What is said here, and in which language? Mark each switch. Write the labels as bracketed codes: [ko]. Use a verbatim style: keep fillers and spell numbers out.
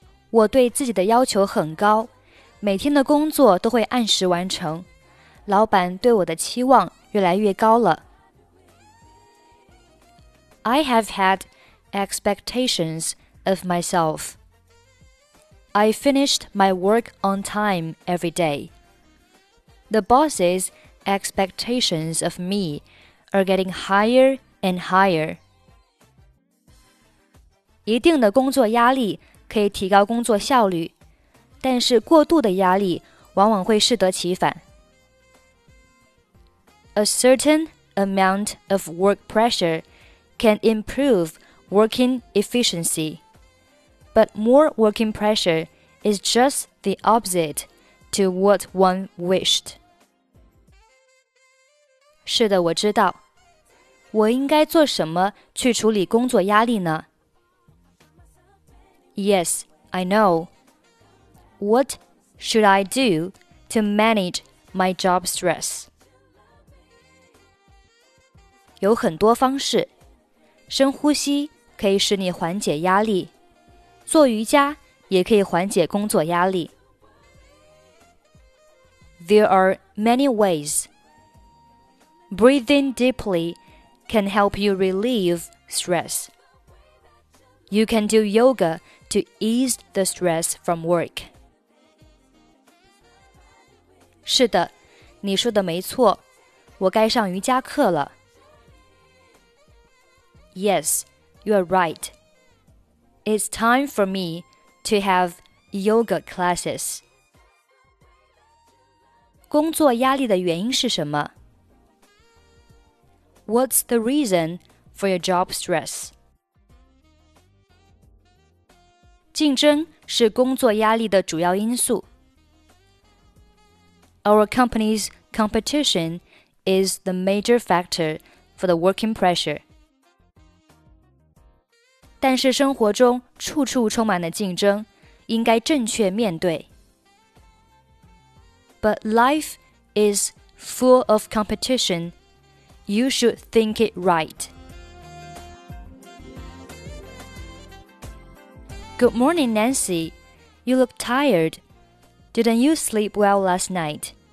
[zh] 我对自己的要求很高，每天的工作都会按时完成。老板对我的期望越来越高了。 [en] I have had expectations of myself. I finished my work on time every day. The bosses expectations of me are getting higher and higher. [zh] 一定的工作压力可以提高工作效率，但是过度的压力往往会适得其反。 [en] A certain amount of work pressure can improve working efficiency, but more working pressure is just the opposite to what one wished. [zh] 是的，我知道。我应该做什么去处理工作压力呢？ [en] Yes, I know. What should I do to manage my job stress? [zh] 有很多方式。深呼吸可以使你缓解压力，做瑜伽也可以缓解工作压力。 [en] There are many ways. Breathing deeply can help you relieve stress. You can do yoga to ease the stress from work. [zh] 是的，你说的没错，我该上瑜伽课了。 [en] Yes, you are right. It's time for me to have yoga classes. [zh] 工作压力的原因是什么？ [en] What's the reason for your job stress? [zh] 竞争是工作压力的主要因素。 [en] Our company's competition is the major factor for the working pressure. [zh] 但是生活中处处充满了竞争，应该正确面对。 [en] But life is full of competition, you should think it right. Good morning, Nancy. You look tired. Didn't you sleep well last night?